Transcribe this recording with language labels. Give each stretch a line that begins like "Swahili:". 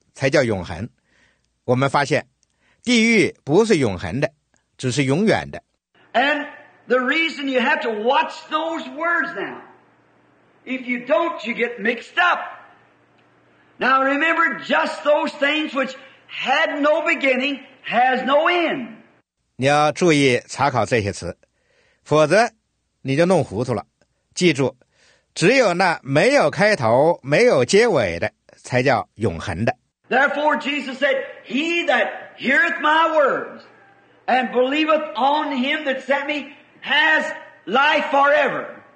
Chinese: 但是永恒是永远永远永远永远永远的意思，那才叫永恒。我们发现。地狱不是永恒的，只是永远的。
English: And the reason you have to watch those words now, if you don't, you get mixed up. Now remember, just those things which had no beginning has no end.
Chinese: 你要注意查考这些词，否则你就弄糊涂了。记住，只有那没有开头、没有结尾的才叫永恒的。
English: Therefore, Jesus said, "He that heareth my words, and believeth on him that sent me, has life forever."